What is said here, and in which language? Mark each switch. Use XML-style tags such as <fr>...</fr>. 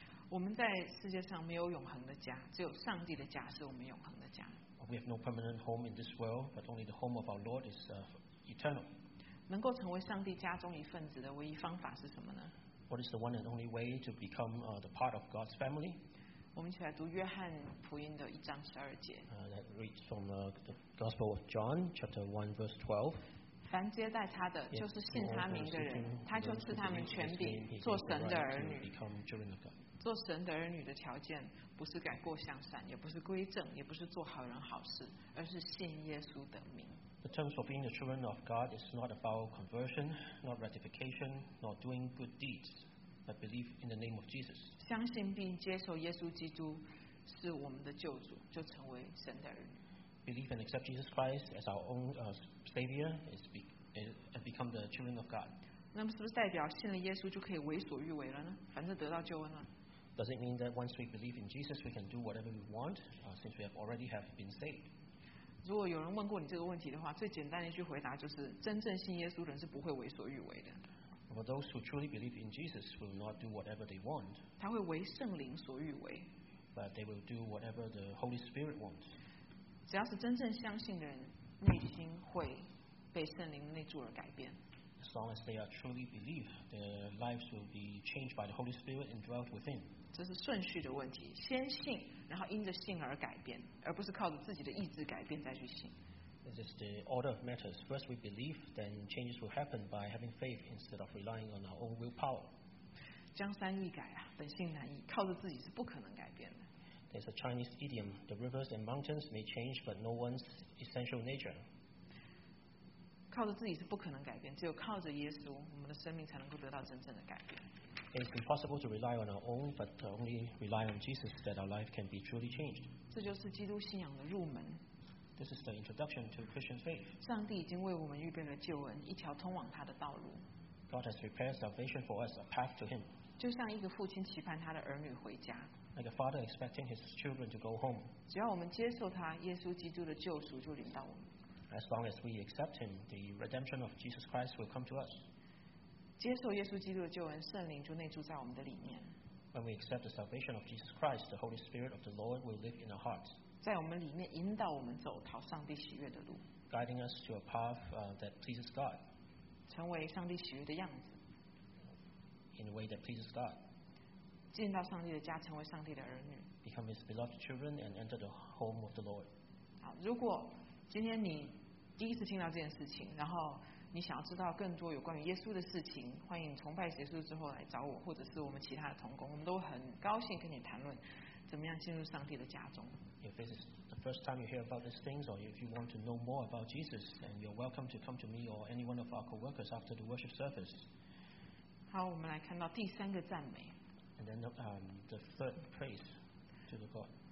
<zh>我们在世界上没有永恒的家，只有上帝的家是我们永恒的家。</zh> <en>We have no permanent home in this world, but only the home of our Lord is eternal.</en> <zh>能够成为上帝家中一份子的唯一方法是什么呢？</zh> <en>What is the one and only way to become the part of God's family?</en> <zh>我们一起来读约翰福音的一章十二节。</zh> <en>That reads from the Gospel of John, chapter 1, verse 12.</en> <zh>凡接待他的，就是信他名的人，他就赐他们权柄，做神的儿女。</zh> <en>Become children of God.</en> <zh>做神的儿女的条件，不是改过向善，也不是归正，也不是做好人好事，而是信耶稣的名。</zh> <en>The terms of being the children of God is not about conversion, not ratification, not doing good deeds, but belief in the name of Jesus.</en> <zh>相信并接受耶稣基督是我们的救主，就成为神的儿女。</zh> <en>Believe and accept Jesus Christ as our own Savior and become the children of God.</en> <zh>那么是不是代表信了耶稣就可以为所欲为了呢？反正得到救恩了。</zh> <en>Does it mean that once we believe in Jesus, we can do whatever we want, since we have already have been saved?</en> <zh>如果有人问过你这个问题的话，最简单的一句回答就是：真正信耶稣的人是不会为所欲为的。</zh> <en>For those who truly believe in Jesus will not do whatever they want.</en> <zh>他会为圣灵所欲为。</zh> <en>But they will do whatever the Holy Spirit wants.</en> <zh>只要是真正相信的人，内心会被圣灵的内住而改变。</zh> <en>As long as they are truly believe, their lives will be changed by the Holy Spirit and dwelt within.</en> <zh>这是顺序的问题，先信，然后因着信而改变，而不是靠着自己的意志改变再去信。</zh> <en>This is the order of matters. First we believe, then changes will happen by having faith instead of relying on our own willpower.</en> <zh>江山易改啊，本性难移，靠着自己是不可能改变的。</zh> <en>There's a Chinese idiom, the rivers and mountains may change, but no one's essential nature.</en> <zh>靠着自己是不可能改变，只有靠着耶稣，我们的生命才能够得到真正的改变。</zh> <en>It's impossible to rely on our own, but only rely on Jesus that our life can be truly changed.</en> <zh>这就是基督信仰的入门。</zh> <en>This is the introduction to Christian faith.</en> <zh>上帝已经为我们预备了救恩，一条通往他的道路。</zh> <en>God has prepared salvation for us, a path to Him.</en> <zh>就像一个父亲期盼他的儿女回家。</zh> <en>Like a father expecting his children to go home.</en> <zh>只要我们接受他，耶稣基督的救赎就临到我们。</zh> <en>As long as we accept Him, the redemption of Jesus Christ will come to us.</en> <zh>接受耶稣基督的救恩，圣灵就内住在我们的里面。</zh> <en>When we accept the salvation of Jesus Christ, the Holy Spirit of the Lord will live in our hearts.</en> <zh>在我们里面引导我们走讨上帝喜悦的路。</zh> <en>Guiding us to a path that pleases God.</en> <zh>成为上帝喜悦的样子。</zh> <en>In a way that pleases God.</en> <zh>进到上帝的家，成为上帝的儿女。</zh> <en>Become His beloved children and enter the home of the Lord.</en> <zh>好，如果今天你第一次听到这件事情，然后你想要知道更多有关于耶稣的事情，欢迎崇拜结束之后来找我，或者是我们其他的同工，我们都很高兴跟你谈论怎么样进入上帝的家中。</zh> <en>If this is the first time you hear about these things, or if you want to know more about Jesus, then you're welcome to come to me or any one of our co-workers after the worship service.</en> <zh>好，我们来看到第三个赞美。</zh> <en>And then the third praise to the God.</en>